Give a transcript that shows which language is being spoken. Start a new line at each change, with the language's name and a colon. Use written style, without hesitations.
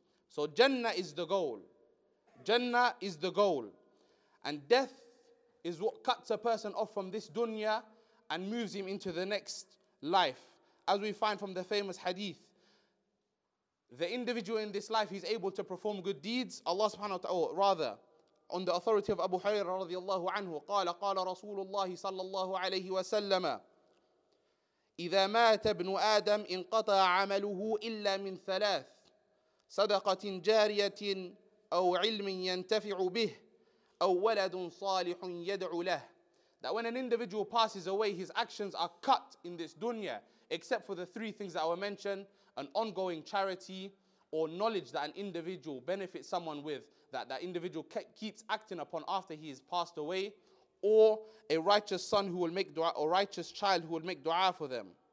English: So Jannah is the goal. Jannah is the goal. And death is what cuts a person off from this dunya and moves him into the next life. As we find from the famous hadith, the individual in this life, he's able to perform good deeds.
Arabic: Allah subhanahu wa ta'ala,
English: rather, on the authority of
Arabic: Abu Hurairah radiyallahu anhu, qala Rasulullah sallallahu alayhi wa sallama, إِذَا مَاتَ ابْنُ آدَمْ إِنْقَطَى عَمَلُهُ إِلَّا مِنْ ثَلَاثٍ صَدَقَةٍ جَارِيَةٍ أَوْ عِلْمٍ يَنْتَفِعُ بِهِ أَوْ وَلَدٌ صَالِحٌ يَدْعُ لَهُ.
English: That when an individual passes away, his actions are cut in this dunya, except for the three things that were mentioned: an ongoing charity or knowledge that an individual benefits someone with, that individual keeps acting upon after he has passed away, or a righteous son who will make dua, or righteous child who will make dua for them.